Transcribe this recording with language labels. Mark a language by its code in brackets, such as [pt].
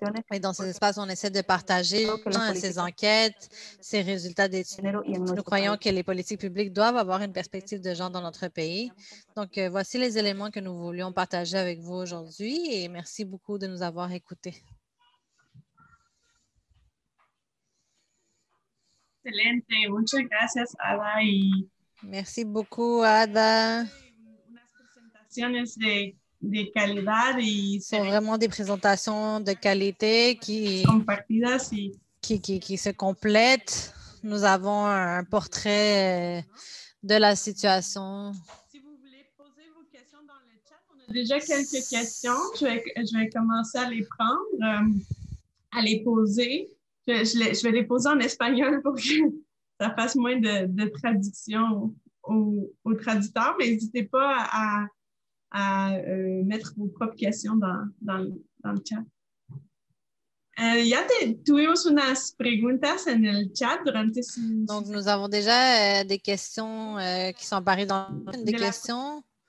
[fr] Et dans ces espaces, on essaie de partager ces enquêtes, ces résultats d'études. Nous croyons que les politiques publiques doivent avoir une perspective de genre dans notre pays. Donc, voici les éléments que nous voulions partager avec vous aujourd'hui et merci beaucoup de nous avoir écoutés. [es] Excelente, muchas gracias, Ada. [fr] Merci beaucoup, Ada. [es] Unas presentaciones de calidad y [fr] son vraiment des présentations de qualité qui se complètent. Nous avons un portrait de la situation. Si vous voulez poser vos questions dans le chat, on a déjà quelques questions. Je vais commencer à les prendre, à les poser. Je vais les poser en espagnol pour que ça fasse moins de traduction au traducteur, mais n'hésitez pas à mettre vos propres questions dans le chat. [es] Tuvimos unas preguntas en el chat durante su... [fr] Donc, nous avons déjà des questions qui sont apparues dans des questions.